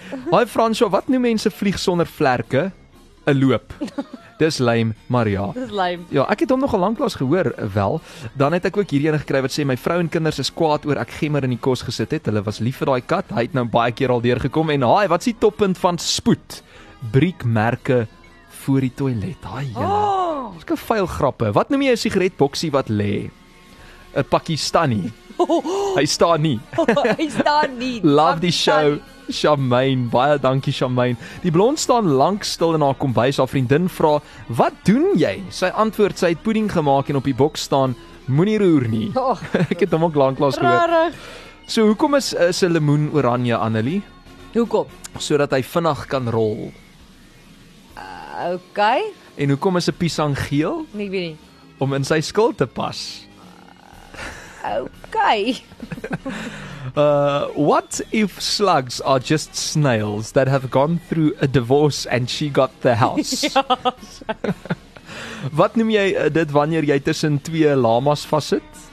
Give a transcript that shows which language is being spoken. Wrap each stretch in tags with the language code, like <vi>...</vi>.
<af>Hoi Fransjo, wat noem mense vlieg sonder vlerke? 'N Loop. Dis lame, maar ja. Dis lame. Ja, ek het hom nogal lanklaas gehoor, wel. Dan het ek ook hierdie ene gekry wat sê, my vrou en kinders is kwaad oor ek gemmer in die kos gesit het. Hulle was lief vir daai kat. Hy het nou baie keer al deurgekom. En haai, wat is die toppunt van spoed? Briekmerke voor die toilet. Haai, jylle. Oh. Dis ke vuil grappe. Wat noem jy 'n sigaretboksie wat lê? 'N Pakistani. Hy staan nie. Hy staan nie. Love die show. Charmaine, baie dankie Charmaine. Die blond staan lank stil in haar kombuis. Haar vriendin vra, wat doen jy? Sy antwoord, sy het pudding gemaakt en op die boks staan, moenie roer nie. Ek het hom ook lanklaas gehoor. So, hoekom is 'n lemoen oranje, Annelie? Hoekom? Sodat hy vinnig kan rol. Okay. En hoekom is 'n pisang geel? Nie weet nie. Om in sy skil te pas. Okay.</af> <en>What if slugs are just snails that have gone through a divorce and she got the house?</en> <af>Wat noem jy dit wanneer jy tussen twee lamas vasit?</af>